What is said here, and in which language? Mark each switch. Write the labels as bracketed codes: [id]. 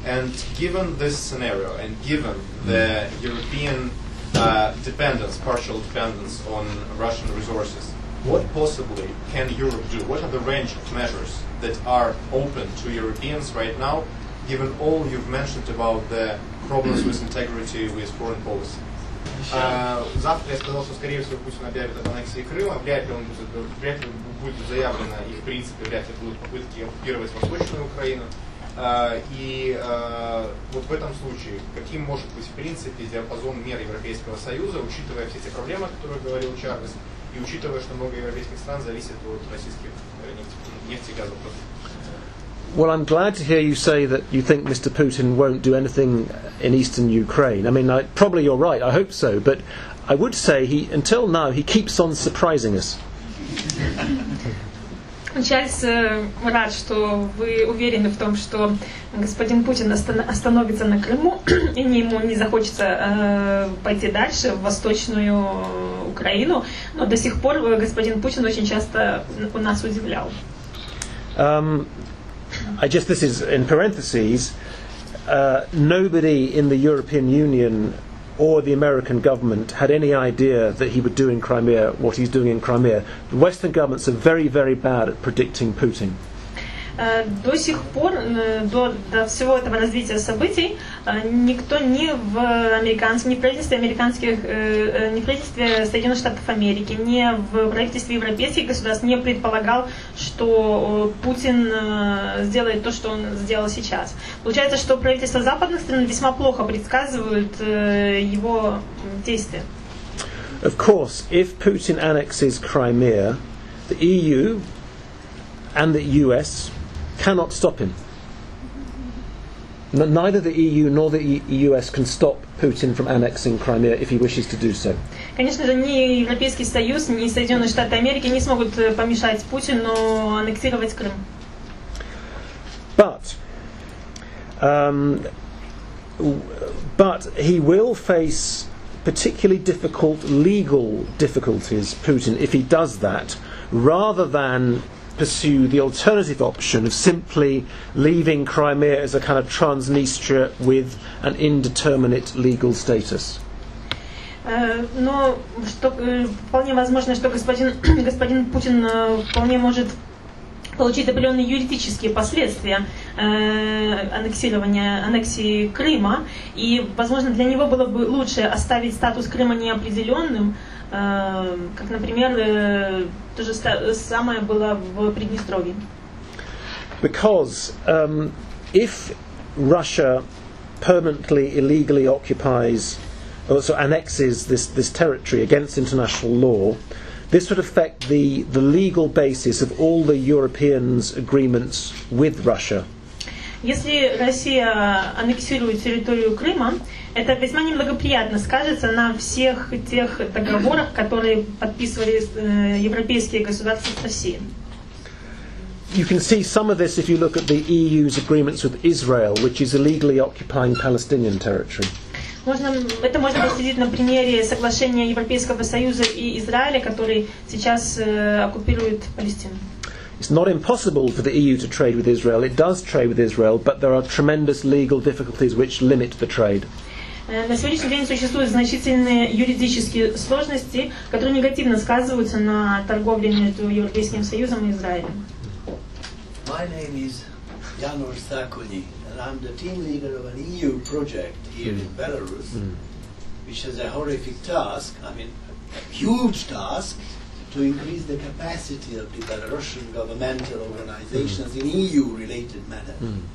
[en] And given this scenario, and given the European partial dependence on Russian resources, what possibly can Europe do? What are the range of measures that are open to Europeans right now, given all you've mentioned about the problems with integrity with foreign policy? [ru] Завтра я сказал, что скорее всего Путин объявит об аннексии Крыма, вряд ли будет заявлено, и в принципе вряд ли будут попытки оккупировать Восточную Украину. Вот в этом случае, каким может быть в принципе диапазон мер Европейского Союза, учитывая все эти проблемы, о которых говорил Чарльз, и учитывая, что много европейских стран зависит от российских нефти и газовых продуктов? [en] Well, I'm glad to hear you say that you think Mr. Putin won't do anything in eastern Ukraine. I mean, probably you're right, I hope so, but I would say he, until now, he keeps on surprising us. [ru] Чарльз рад, что вы уверены в том, что господин Путин остановится на Крыму, и ему не захочется пойти дальше, в Восточную Украину, но до сих пор господин Путин очень часто у нас удивлял. [en] This is in parentheses, nobody in the European Union or the American government had any idea that he would do in Crimea what he's doing in Crimea. The Western governments are very, very bad at predicting Putin. [ru] До сих пор, до всего этого развития событий, никто ни в правительстве Соединенных Штатов Америки, ни в правительстве европейских государств не предполагал, что Путин сделает то, что он сделал сейчас. Получается, что правительства западных стран весьма плохо предсказывают его действия. [en] Of course, if Putin annexes Crimea, the EU and the US cannot stop him. Neither the EU nor the US can stop Putin from annexing Crimea if he wishes to do so. [ru] Конечно же, ни Европейский Союз, ни Соединенные Штаты Америки не смогут помешать Путину аннексировать Крым. [en] But But he will face particularly difficult legal difficulties, Putin, if he does that, rather than pursue the alternative option of simply leaving Crimea as a kind of Transnistria with an indeterminate legal status. [ru] Но что, вполне возможно, что господин Путин вполне может получить определенные юридические последствия аннексии Крыма, и, возможно, для него было бы лучше оставить статус Крыма неопределенным, как, например, то же самое было в Приднестровье. [en] Because if Russia permanently illegally occupies also annexes this territory against international law, this would affect the legal basis of all the Europeans' agreements with Russia. [ru] Если Россия аннексирует территорию Крыма, это весьма неблагоприятно скажется на всех тех договорах, которые подписывали европейские государства с Россией. [en] You can see some of this if you look at the EU's agreements with Israel, which is illegally occupying Palestinian territory. [ru] Это можно посмотреть на примере соглашения Европейского Союза и Израиля, который сейчас оккупирует Палестину. [en] It's not impossible for the EU to trade with Israel. It does trade with Israel, but there are tremendous legal difficulties which limit the trade. [ru] На сегодняшний день существуют значительные юридические сложности, которые негативно сказываются на торговле между Европейским Союзом и Израилем. [en] My name is Janos Sakuni, and I'm the team leader of an EU project here in Belarus, which has a horrific task, I mean, a huge task, to increase the capacity of the Belarusian governmental organizations in EU-related matters.